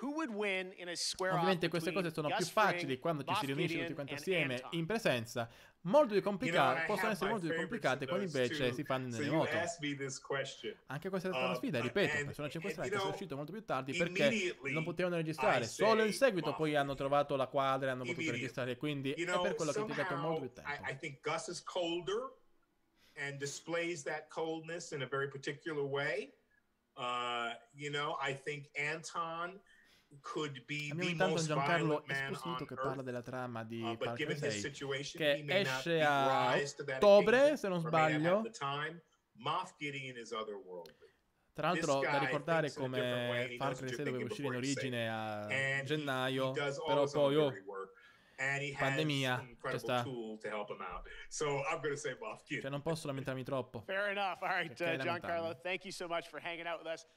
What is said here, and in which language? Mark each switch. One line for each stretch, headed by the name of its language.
Italian: Ovviamente queste cose sono più facili quando ci si riunisce tutti quanti assieme in presenza, molto più complicate, possono essere molto più complicate quando invece si fanno in remoto. Anche questa è stata una sfida, ripeto, Persona 5 Strike è uscito molto più tardi perché non potevano registrare, solo in seguito poi hanno trovato la quadra e hanno potuto registrare, quindi è per quello che ho dedicato molto più tempo.
English: And displays that coldness in a very particular way. I think Anton could be the most violent man on Earth.
Italian: Giancarlo Esposito che parla della trama di Far Cry 6, che esce a ottobre, se non sbaglio.
English: Moff Gideon is otherworldly.
Italian: Tra l'altro, da ricordare come Far Cry 6 doveva uscire in origine a gennaio, però poi pandemia, c'è sta. Cioè, non posso lamentarmi troppo.
English: Fair enough. All right, Giancarlo, thank you so much for hanging out with us.